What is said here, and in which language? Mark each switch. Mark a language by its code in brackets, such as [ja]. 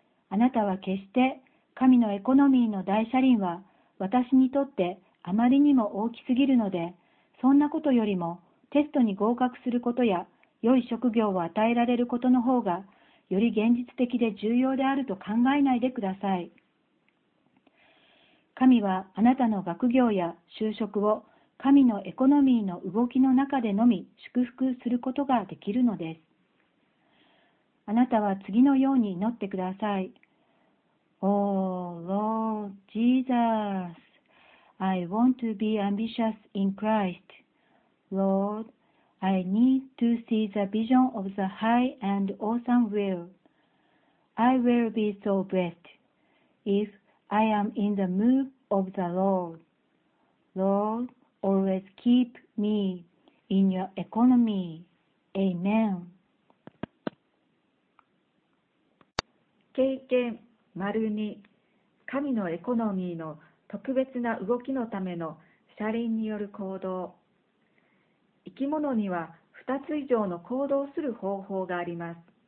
[ja] あなたは決して、神のエコノミーの大車輪は私にとってあまりにも大きすぎるので、そんなことよりもテストに合格することや良い職業を与えられることの方が、より現実的で重要であると考えないでください。神はあなたの学業や就職を神のエコノミーの動きの中でのみ祝福することができるのです。あなたは次のように祈ってください。 [en] Oh Lord Jesus, I want to be ambitious in Christ. Lord,I need to see the vision of the high and awesome will. I will be so blessed if I am in the move of the Lord. Lord, always keep me in your economy. Amen. [ja] 経験丸2、神のエコノミーの特別な動きのための車輪による行動。生き物には2つ以上の行動する方法があります。